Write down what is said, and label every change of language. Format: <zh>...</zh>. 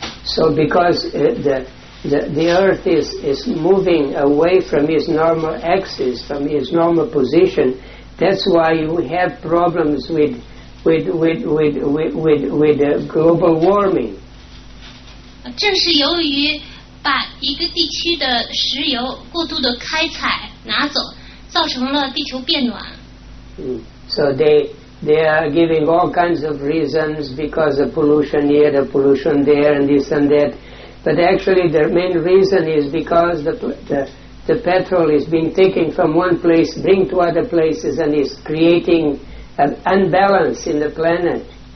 <en>So because the Earth is moving away from its normal axis, from its normal position, that's why you have problems with global warming.</en> <zh>正是由于把一个地区的石油过度的开采拿走，造成了地球变暖。</zh> <en>So they are giving all kinds of reasons because of pollution here, the pollution there, and this and that. But actually, their main reason is because the petrol is being taken from one place, bring to other places, and is creating an unbalance in the planet.</en>